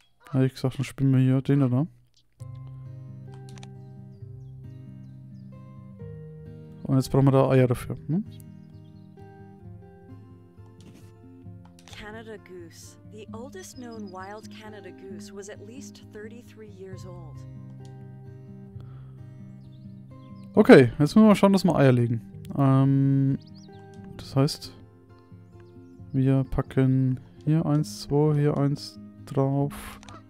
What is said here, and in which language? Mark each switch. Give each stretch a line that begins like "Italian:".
German: Habe ich gesagt, dann spielen wir hier den da. Und jetzt brauchen wir da Eier dafür.
English: Canada Goose. The oldest known wild Canada Goose was at least 33 years old.
German: Okay, jetzt müssen wir mal schauen, dass wir Eier legen. Das heißt, wir packen hier 1, 2, hier 1 drauf.